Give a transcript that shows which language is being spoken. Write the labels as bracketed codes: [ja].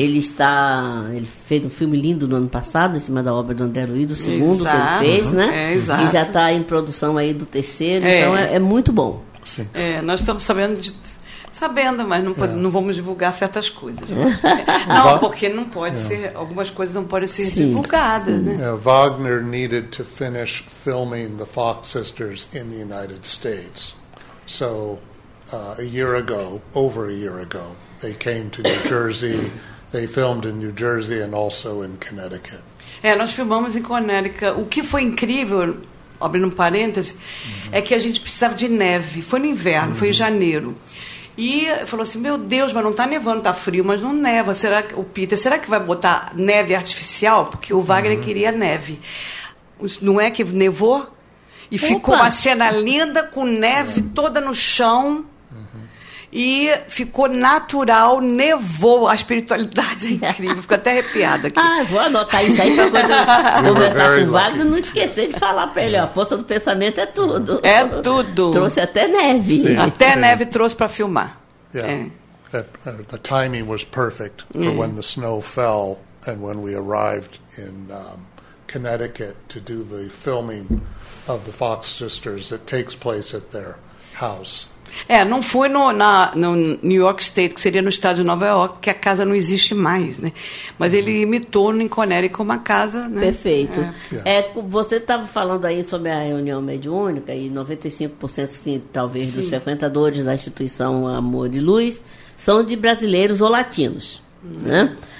[pt] Ele fez um filme lindo no ano passado, em cima da obra do André Luiz, o segundo exato. Que ele fez, né? Exato. E já está em produção aí do terceiro. Então é muito bom. Sim. Nós estamos sabendo de. Sabendo, mas não, pode, não vamos divulgar certas coisas. Porque não pode ser, algumas coisas não podem ser divulgadas. Né? [en] Wagner needed to finish filming the Fox Sisters in the United States. So, over a year ago, they came to New Jersey. They filmed in New Jersey and also in Connecticut. [pt] Nós filmamos em Connecticut. O que foi incrível, abrindo um parêntese, é que a gente precisava de neve. Foi no inverno, foi em janeiro. E falou assim, meu Deus, mas não está nevando, está frio, mas não neva. Será que vai botar neve artificial? Porque o Wagner queria neve. Não é que nevou? E ficou uma cena linda, com neve toda no chão. E ficou natural, nevou. A espiritualidade é incrível. Fico até arrepiada aqui. Ah, vou anotar isso aí para quando eu conversar com o Wagner, não esquecer de falar para ele. A força do pensamento é tudo. É tudo. Trouxe até neve. Sim. Até Sim. neve trouxe para filmar. [en] Yeah. The timing was perfect for when the snow fell and when we arrived in Connecticut to do the filming of the Fox Sisters that takes place at their house. [pt] Não foi no New York State, que seria no estado de Nova York, que a casa não existe mais, né? Mas ele imitou no Connecticut como uma casa, né? Perfeito. Você estava falando aí sobre a reunião mediúnica e 95% sim, talvez sim. dos frequentadores da instituição Amor e Luz são de brasileiros ou latinos, né?